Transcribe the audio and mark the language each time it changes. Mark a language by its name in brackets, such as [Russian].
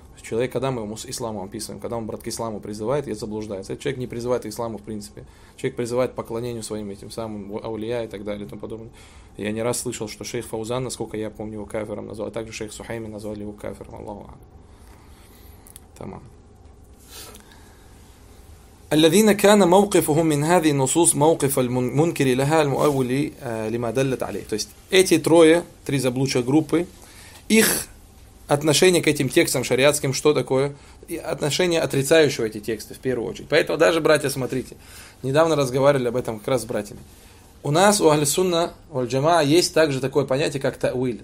[Russian] Человек, когда мы ему исламу описываем, когда он, брат, к исламу призывает, я заблуждаюсь. Этот человек не призывает к исламу, в принципе. Человек призывает к поклонению своим этим самым аулия и так далее и тому подобное. Я не раз слышал, что шейх Фаузан, насколько я помню, его кафиром назвал, а также шейх Сухайми назвали его кафиром, Аллаху акбар. [Arabic] الذين كان موقفهم من هذه النصوص موقف المنكر لها المؤول لما دلت عليه. [Russian] То есть эти трое, три заблудшие группы, их отношение к этим текстам шариатским что такое? И отношение отрицающего эти тексты в первую очередь. Поэтому даже, братья, смотрите, недавно разговаривали об этом как раз с братьями. У нас у Аль-Сунна, у Аль-Джама'а есть также такое понятие, как тауиль.